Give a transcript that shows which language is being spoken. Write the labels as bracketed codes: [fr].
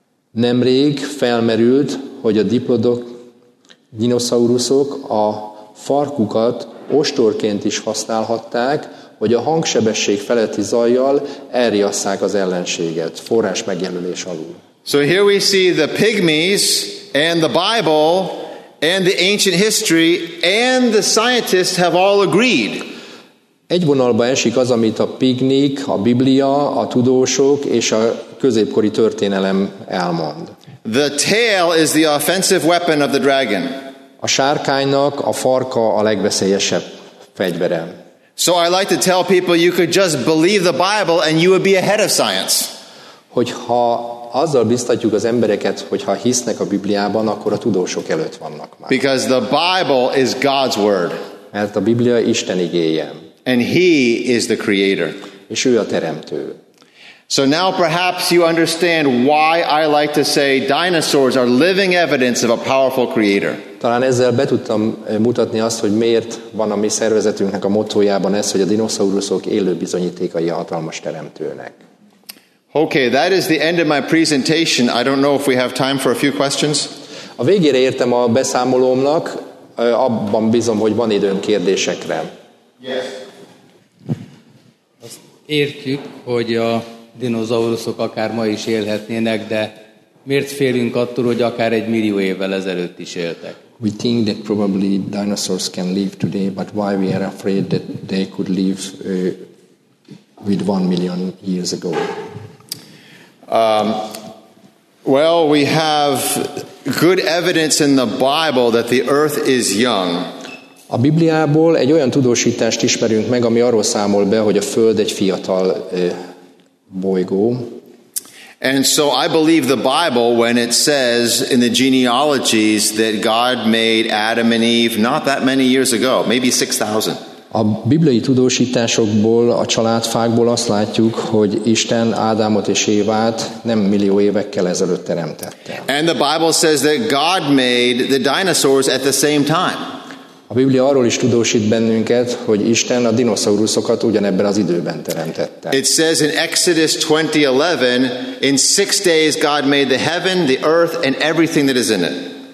[hu] Nemrég felmerült, hogy a diplodok dinoszauruszok a farkukat ostorként is használhatták, hogy a hangsebesség feletti zajjal elriasszák az ellenséget, forrás megjelölés alul. [en] So here we see the pygmies and the Bible and the ancient history and the scientists have all agreed. [hu] Egy vonalba esik az, amit a pygmik, a Biblia, a tudósok és a középkori történelem elmond. [en] The tail is the offensive weapon of the dragon. [hu] A sárkánynak a farka a legveszélyesebb fegyvere. [en] So I like to tell people you could just believe the Bible and you would be ahead of science. [hu] Hogyha azzal biztatjuk az embereket, hogyha hisznek a Bibliában, akkor a tudósok előtt vannak már. [en] Because the Bible is God's word. [hu] Mert a Biblia Isten igéje. [en] And he is the creator. [hu] És ő a teremtő. [en] So now perhaps you understand why I like to say dinosaurs are living evidence of a powerful creator. [hu] Talán ezzel be tudtam mutatni azt, hogy miért van a mi szervezetünknek a mottójában ez, hogy a dinoszauruszok élő bizonyítékai a hatalmas teremtőnek. [en] Okay, that is the end of my presentation. I don't know if we have time for a few questions. [hu] A végére értem a beszámolómnak, abban bízom, hogy van időm kérdésekre. [en] Yes. [hu] Azt értjük, hogy a dinoszauruszok akár ma is élhetnének, de miért félünk attól, hogy akár egy millió évvel ezelőtt is éltek? [en] We think that probably dinosaurs can live today, but why we are afraid that they could live with 1 million years ago? Well, we have good evidence in the Bible that the earth is young. [hu] A Bibliából egy olyan tudósítást ismerünk meg, ami arról számol be, hogy a Föld egy fiatal bolygó. [en] And so I believe the Bible when it says in the genealogies that God made Adam and Eve not that many years ago, maybe 6,000. [hu] A bibliai tudósításokból, a családfákból azt látjuk, hogy Isten Ádámot és Évát nem millió évekkel ezelőtt teremtette. [en] And the Bible says that God made the dinosaurs at the same time. [hu] A Biblia arról is tudósít bennünket, hogy Isten a dinoszauruszokat ugyanebben az időben teremtette. [en] It says in Exodus 20:11, in 6 days God made the heaven, the earth, and everything that is in it.